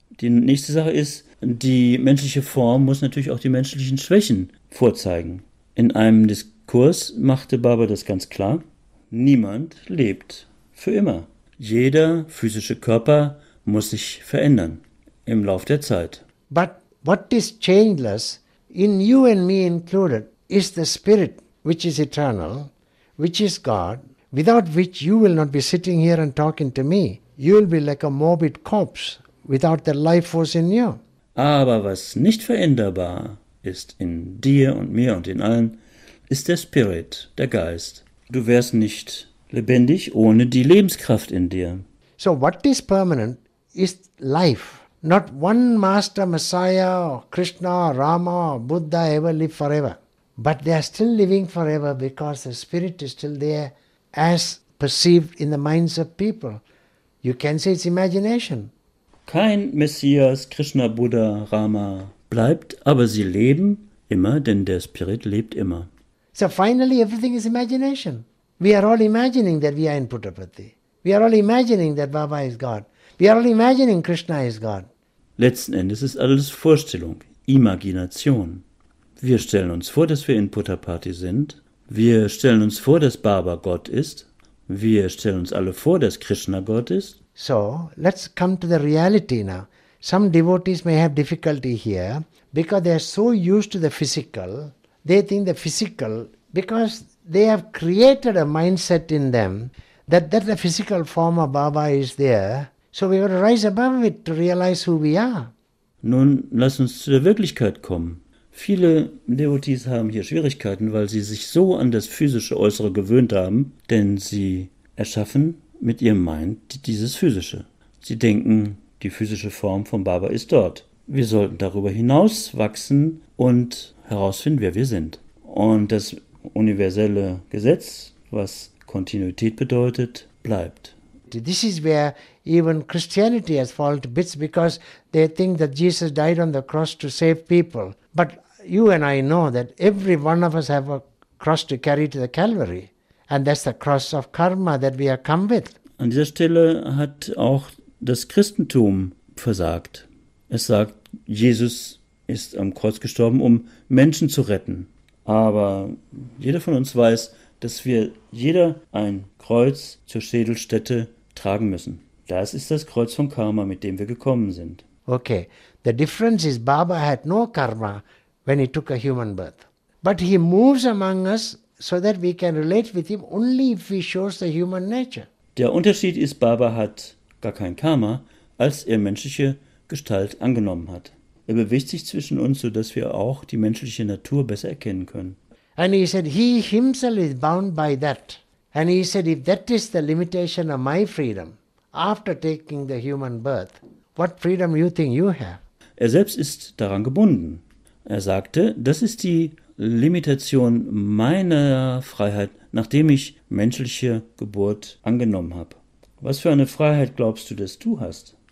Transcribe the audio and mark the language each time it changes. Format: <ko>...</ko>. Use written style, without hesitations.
<de>Die nächste Sache ist, die menschliche Form muss natürlich auch die menschlichen Schwächen vorzeigen. In einem Diskurs machte Baba das ganz klar, niemand lebt für immer. Jeder physische Körper muss sich verändern im Lauf der Zeit.</de> <en>But what is changeless, in you and me included, is the spirit which is eternal, which is God, without which you will not be sitting here and talking to me. You will be like a morbid corpse without the life force in you.</en> <de>Aber was nicht veränderbar ist in dir und mir und in allen, ist der Spirit, der Geist. Du wärst nicht lebendig ohne die Lebenskraft in dir.</de> <en>So what is permanent is life. Not one master, Messiah, or Krishna, or Rama, or Buddha ever live forever. But they are still living forever because the spirit is still there as perceived in the minds of people. You can say it's imagination.</en> <de>Kein Messias, Krishna, Buddha, Rama bleibt, aber sie leben immer, denn der Spirit lebt immer.</de> <en>So finally everything is imagination. We are all imagining that we are in Puttaparthi. We are all imagining that Baba is God. We are all imagining Krishna is God.</en> <de>Letzten Endes ist alles Vorstellung, Imagination. Wir stellen uns vor, dass wir in Puttaparthi sind. Wir stellen uns vor, dass Baba Gott ist. Wir stellen uns alle vor, dass Krishna Gott ist.</de> <en>So, let's come to the reality now. Some devotees may have difficulty here, because they are so used to the physical. They think the physical, because they have created a mindset in them, that the physical form of Baba is there. So we got to rise above it to realize who we are.</en> <de>Nun, lass uns zu der Wirklichkeit kommen. Viele Devotees haben hier Schwierigkeiten, weil sie sich so an das physische Äußere gewöhnt haben, denn sie erschaffen mit ihrem Mind dieses Physische. Sie denken, die physische Form von Baba ist dort. Wir sollten darüber hinaus wachsen und herausfinden, wer wir sind. Und das universelle Gesetz, was Kontinuität bedeutet, bleibt.</de> <en>This is where even Christianity has fallen to bits, because they think that Jesus died on the cross to save people. But you and I know that every one of us have a cross to carry to the Calvary. And that's the cross of karma that we have come with.</en> <de>An dieser Stelle hat auch das Christentum versagt. Es sagt, Jesus ist am Kreuz gestorben, um Menschen zu retten. Aber jeder von uns weiß, dass wir jeder ein Kreuz zur Schädelstätte tragen müssen. Das ist das Kreuz von Karma, mit dem wir gekommen sind.</de> <en>Okay, the difference is Baba had no karma when he took a human birth. But he moves among us so that we can relate with him only if he shows the human nature.</en> <de>Der Unterschied ist, Baba hat gar kein Karma, als er menschliche Gestalt angenommen hat. Er bewegt sich zwischen uns, sodass wir auch die menschliche Natur besser erkennen können.</de> <en>And he said, he himself is bound by that. And he said, if that is the limitation of my freedom, after taking the human birth, what freedom you think you have?</en> <de>Er selbst ist daran gebunden. Er sagte, das ist die Limitation meiner Freiheit, nachdem ich menschliche Geburt angenommen habe. Was für eine Freiheit glaubst du, dass du hast?</de>